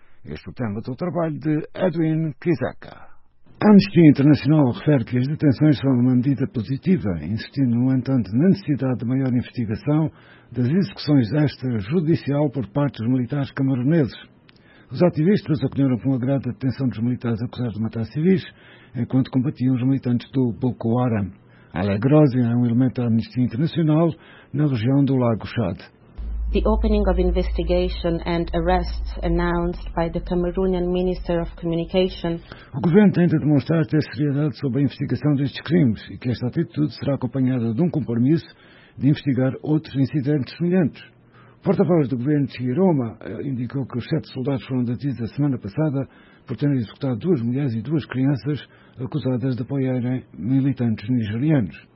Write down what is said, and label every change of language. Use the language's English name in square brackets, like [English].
[Portuguese] Este é o tema do trabalho de Edwin Kizeka. A Amnistia Internacional refere que as detenções são uma medida positiva, insistindo, no entanto, na necessidade de maior investigação das execuções extrajudicial por parte dos militares camaroneses. Os ativistas acolheram com agrado a detenção dos militares acusados de matar civis, enquanto combatiam os militantes do Boko Haram. Alegrosi é um elemento da Amnistia Internacional na região do Lago Chad. [English] The opening of investigation and arrests announced by the Cameroonian Minister of Communication. [Portuguese] O governo tenta demonstrar ter seriedade sobre a investigação destes crimes e que esta atitude será acompanhada de um compromisso de investigar outros incidentes semelhantes. O porta-voz do governo de Chiroma indicou que os 7 soldados foram detidos a semana passada por terem executado 2 mulheres e 2 crianças acusadas de apoiarem militantes nigerianos.